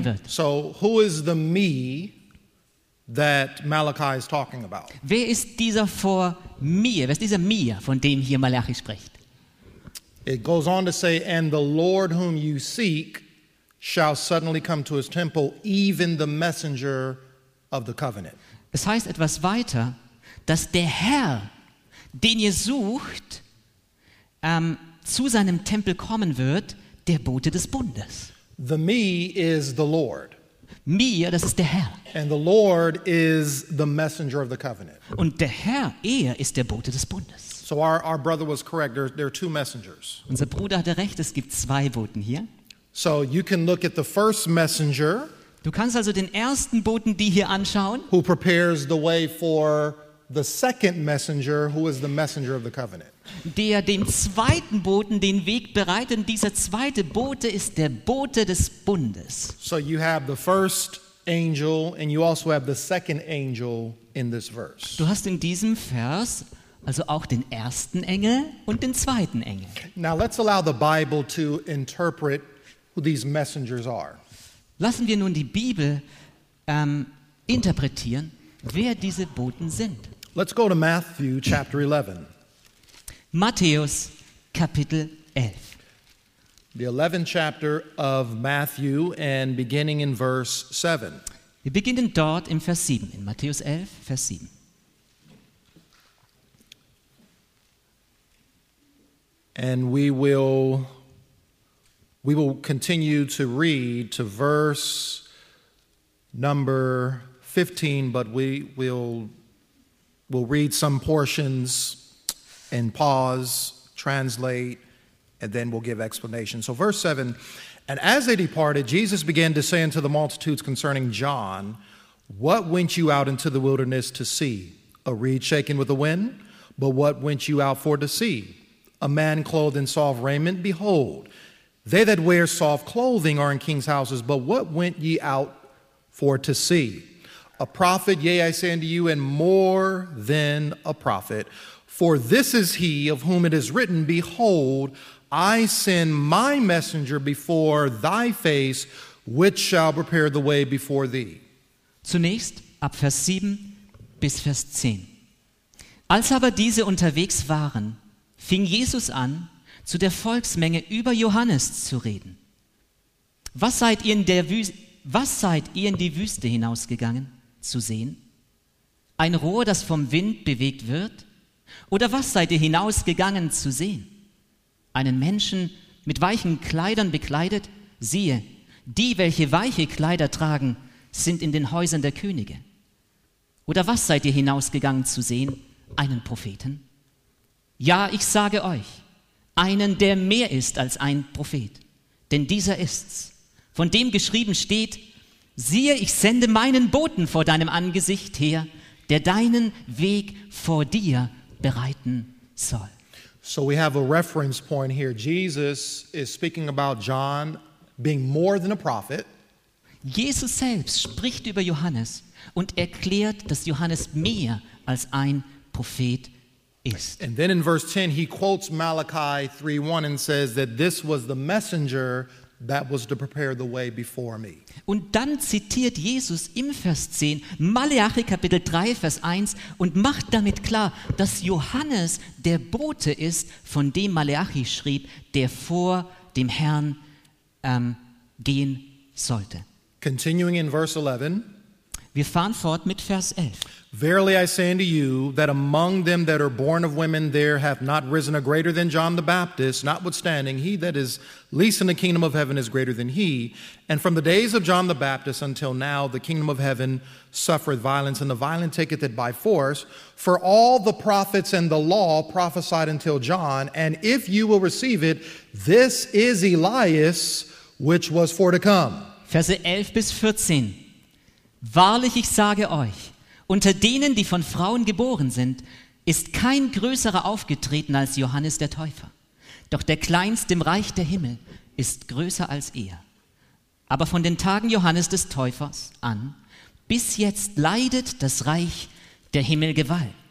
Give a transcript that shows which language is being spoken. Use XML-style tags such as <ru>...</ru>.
<en>okay.</en> <de>wird.</de> <en>So, who is the me that Malachi is talking about?</en> <de>Wer ist dieser vor mir? Wer ist dieser mir, von dem hier Malachi spricht?</de> <en>It goes on to say, and the Lord whom you seek shall suddenly come to his temple, even the messenger of the covenant.</en> <de>Es heißt etwas weiter, dass der Herr, den ihr sucht, zu seinem Tempel kommen wird, der Bote des Bundes.</de> <en>The me is the Lord.</en> <de>Mir, das ist der Herr.</de> <en>And the Lord is the messenger of the covenant.</en> <de>Und der Herr, er ist der Bote des Bundes.</de> <en>So our brother was correct. There are two messengers.</en> <de>Unser Bruder hatte recht. Es gibt zwei Boten hier.</de> <en>So you can look at the first messenger.</en> <de>Du kannst also den ersten Boten die hier anschauen.</de> <en>Who prepares the way for the second messenger, who is the messenger of the covenant.</en> <de>Der dem zweiten Boten den Weg bereitet. Dieser zweite Bote ist der Bote des Bundes.</de> <en>So you have the first angel and you also have the second angel in this verse.</en> <de>Du hast in diesem Vers also auch den ersten Engel und den zweiten Engel.</de> <en>Now let's allow the Bible to interpret who these messengers are.</en> <de>Lassen wir nun die Bibel interpretieren, wer diese Boten sind.</de> <en>Let's go to Matthew chapter 11.</en> <de>Matthäus Kapitel 11.</de> <en>The 11th chapter of Matthew and beginning in verse 7.</en> <de>Wir beginnen dort im Vers 7, in Matthäus 11, Vers 7.</de> <en>And we will continue to read to verse number 15, but we'll read some portions and pause, translate, and then we'll give explanation. So verse 7, And as they departed, Jesus began to say unto the multitudes concerning John, What went you out into the wilderness to see? A reed shaken with the wind? But what went you out for to see? A man clothed in soft raiment? Behold, they that wear soft clothing are in king's houses. But what went ye out for to see? A prophet, yea, I say unto you, and more than a prophet. For this is he of whom it is written, Behold, I send my messenger before thy face, which shall prepare the way before thee.</en> <de>Zunächst ab Vers 7 bis Vers 10. Als aber diese unterwegs waren, fing Jesus an, zu der Volksmenge über Johannes zu reden. Was seid ihr in die Wüste hinausgegangen, zu sehen? Ein Rohr, das vom Wind bewegt wird? Oder was seid ihr hinausgegangen, zu sehen? Einen Menschen mit weichen Kleidern bekleidet? Siehe, die, welche weiche Kleider tragen, sind in den Häusern der Könige. Oder was seid ihr hinausgegangen, zu sehen? Einen Propheten? Ja, ich sage euch, einen, der mehr ist als ein Prophet. Denn dieser ist's, von dem geschrieben steht: Siehe, ich sende meinen Boten vor deinem Angesicht her, der deinen Weg vor dir bereiten soll.</de> <en>So we have a reference point here. Jesus is speaking about John being more than a prophet.</en> <de>Jesus selbst spricht über Johannes und erklärt, dass Johannes mehr als ein Prophet ist.</de> <en>And then in verse 10 he quotes Malachi 3:1 and says that this was the messenger that was to prepare the way before me.</en> <de>Und dann zitiert Jesus im Vers 10 Malachi Kapitel 3 Vers 1 und macht damit klar, dass Johannes der Bote ist, von dem Malachi schrieb, der vor dem Herrn gehen sollte.</de> <en>Continuing in verse 11.</en> <de>Wir fahren fort mit Vers 11.</de> <en>Verily I say unto you, that among them that are born of women there hath not risen a greater than John the Baptist, notwithstanding he that is least in the kingdom of heaven is greater than he. And from the days of John the Baptist until now, the kingdom of heaven suffereth violence, and the violent taketh it by force. For all the prophets and the law prophesied until John, and if you will receive it, this is Elias, which was for to come.</en> <de>Verse 11 bis 14. Wahrlich, ich sage euch, unter denen, die von Frauen geboren sind, ist kein größerer aufgetreten als Johannes der Täufer. Doch der Kleinste im Reich der Himmel ist größer als er. Aber von den Tagen Johannes des Täufers an, bis jetzt leidet das Reich der Himmel Gewalt.</de>